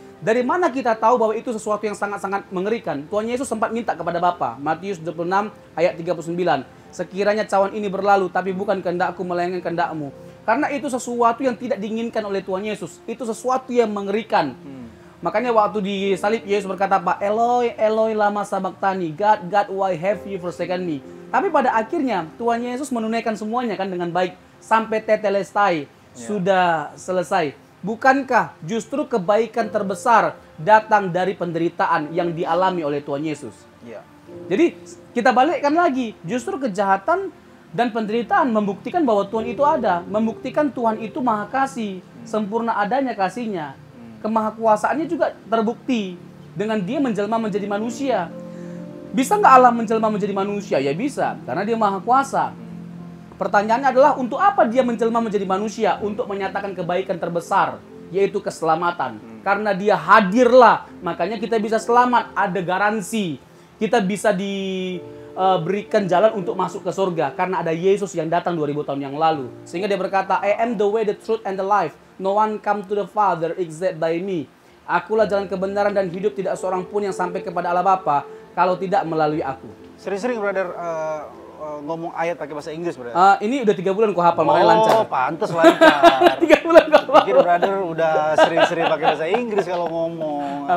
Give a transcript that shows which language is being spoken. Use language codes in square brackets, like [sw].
[id] Dari mana kita tahu bahwa itu sesuatu yang sangat-sangat mengerikan? Tuhan Yesus sempat minta kepada Bapa, Matius 26 ayat 39. Sekiranya cawan ini berlalu, tapi bukan kehendakku melainkan kehendakmu. Karena itu sesuatu yang tidak diinginkan oleh Tuhan Yesus. Itu sesuatu yang mengerikan. Makanya waktu di salib, Yesus berkata, Pak, [arc] Eloi, Eloi, lama sabaktani. [en] God, God, why have you forsaken me? [id] Tapi pada akhirnya, Tuhan Yesus menunaikan semuanya kan dengan baik. Sampai tetelestai, yeah. Sudah selesai. Bukankah justru kebaikan terbesar datang dari penderitaan yang dialami oleh Tuhan Yesus? Iya. Yeah. Jadi kita balikkan lagi, justru kejahatan dan penderitaan membuktikan bahwa Tuhan itu ada, membuktikan Tuhan itu maha kasih, sempurna adanya kasihnya, kemahakuasaannya juga terbukti dengan dia menjelma menjadi manusia. Bisa nggak Allah menjelma menjadi manusia? Ya bisa, karena dia maha kuasa. Pertanyaannya adalah untuk apa dia menjelma menjadi manusia? Untuk menyatakan kebaikan terbesar, yaitu keselamatan. Karena dia hadirlah, makanya kita bisa selamat, ada garansi. Kita bisa diberikan jalan untuk masuk ke surga karena ada Yesus yang datang 2000 tahun yang lalu. Sehingga dia berkata, [en] I am the way, the truth, and the life. No one come to the Father except by me. [id] Akulah jalan kebenaran dan hidup, tidak seorang pun yang sampai kepada Allah Bapa kalau tidak melalui aku. Sering-sering, brother, ngomong ayat pakai bahasa Inggris, brother. Ini udah 3 bulan ku hafal, makanya lancar. Oh, pantes lancar. 3 bulan ku hafal. Mungkin, brother, udah sering-sering pakai bahasa Inggris kalau ngomong.